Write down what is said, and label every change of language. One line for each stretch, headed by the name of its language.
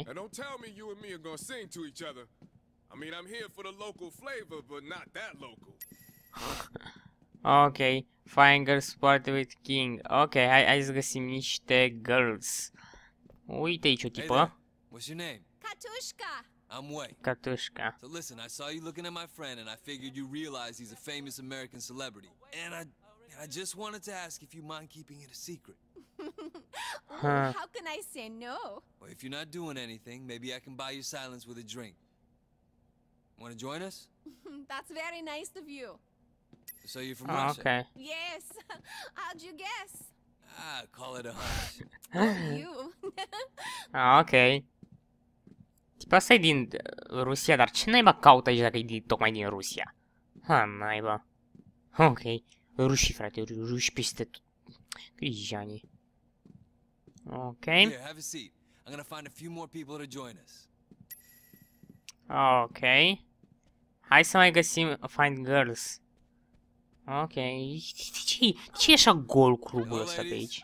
English: Don't tell me you and me are gonna sing to each other. I mean, I'm here for the local flavor, but not that local. Okay, fine girls party with King.
Romanian: Okay, hai să găsim niște girls. Uite aici o tipă.
English: Hey, what's your name? Katushka. I'm Wei. Katushka. So listen, I saw you looking at my friend and I figured you realize he's a famous American celebrity. And I just wanted to ask if you mind keeping it a secret. How can I say no? Well, if you're not doing anything, maybe I can buy you silence with a drink. Want to join us? That's very nice of you. So you're from Russia? Okay. Yes. How'd you guess? Ah, call it a hunch. You, a Ah, ok.
Romanian: Tipa asta e din Rusia, dar ce naiba caută aici dacă e tocmai din Rusia? Ha, naiba. Ok. Ruși, frate, ruși peste tot. Grijani. Ok.
English: Here, have a seat. I'm gonna find a few more people to join us. Ok.
Romanian: Hai să mai găsim,
English: find girls.
Romanian: Ok. De ce e așa gol clubul ăsta de aici?